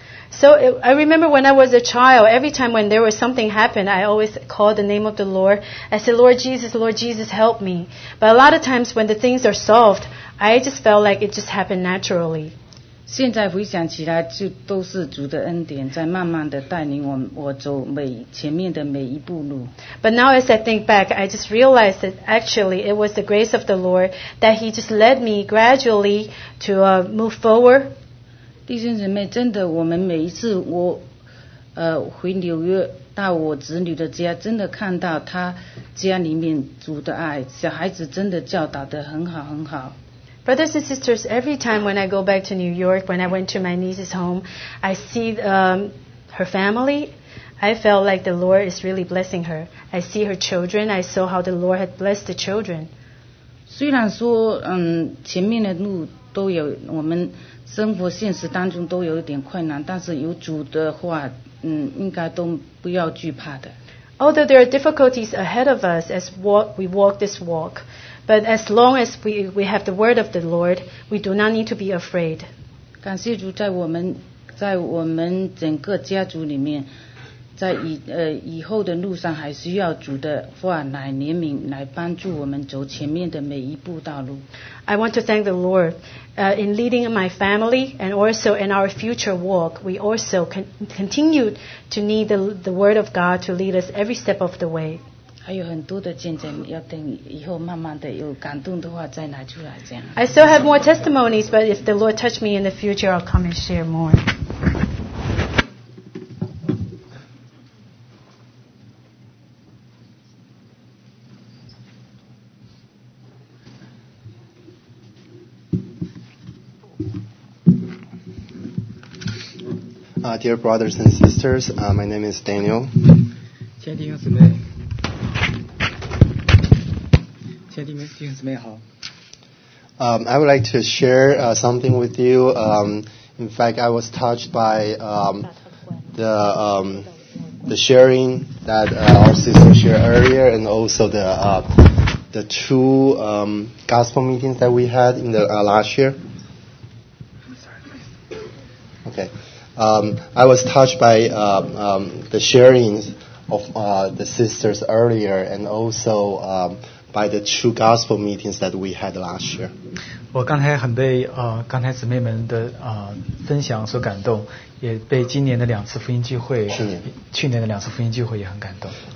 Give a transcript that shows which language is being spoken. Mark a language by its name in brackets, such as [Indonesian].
[English] So I remember when I was a child, every time when there was something happened, I always called the name of the Lord. I said, Lord Jesus, help me. But a lot of times when the things are solved, I just felt like it just happened naturally. [Chinese] 现在回想起来，就都是主的恩典，在慢慢的带领我走每前面的每一步路。 [English] But now as I think back, I just realized that actually it was the grace of the Lord that He just led me gradually to move forward. [Chinese] 弟兄姊妹，真的，我们每一次我，回纽约到我子女的家，真的看到他家里面主的爱，小孩子真的教导得很好很好。 [English] Brothers and sisters, every time when I go back to New York, when I went to my niece's home, I see her family. I felt like the Lord is really blessing her. I see her children. I saw how the Lord had blessed the children. [Chinese] 虽然说，前面的路都有我们。生活现实当中都有点困难，但是有主的话，应该都不要惧怕的。 [English] Although there are difficulties ahead of us as we walk this walk, but as long as we have the word of the Lord, we do not need to be afraid. [Chinese] 感谢主，在我们整个家族里面，在以后的路上还需要主的话来怜悯，来帮助我们走前面的每一步道路。 [English] I want to thank the Lord, in leading my family and also in our future walk, we also continue to need the word of God to lead us every step of the way. [Chinese] 还有很多的见证，要等以后慢慢的有感动的话再拿出来讲。 [English] I still have more testimonies, but if the Lord touch me in the future, I'll come and share more. Dear brothers and sisters, my name is Daniel. [Chinese] 亲弟兄姊妹，亲弟兄姊妹好。 [English] I would like to share something with you. In fact, I was touched by the sharing that our sister shared earlier, and also the two gospel meetings that we had in the last year. Okay. I was touched by the sharings of the sisters earlier and also by the two gospel meetings that we had last year. [Chinese] 我刚才很被刚才姊妹们的分享所感动，也被今年的两次福音聚会，去年的两次福音聚会也很感动。